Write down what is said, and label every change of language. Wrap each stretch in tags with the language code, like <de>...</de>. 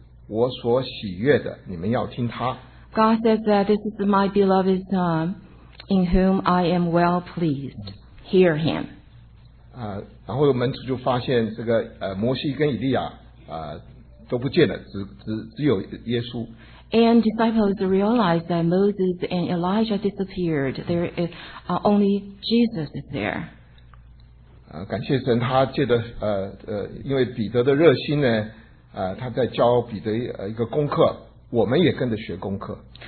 <zh>神说，这是我的爱子，我所喜悦的，你们要听他。</zh> <en>God says that this is my beloved son, in whom I am well pleased. Hear him.</en> <zh>然后门徒就发现这个摩西跟以利亚都不见了，只有耶稣。</zh> <en>And disciples realize that Moses and Elijah disappeared. There is only Jesus is there.</en> <zh>感谢神，他借着因为彼得的热心呢，他在教彼得一个功课，我们也跟着学功课。</zh>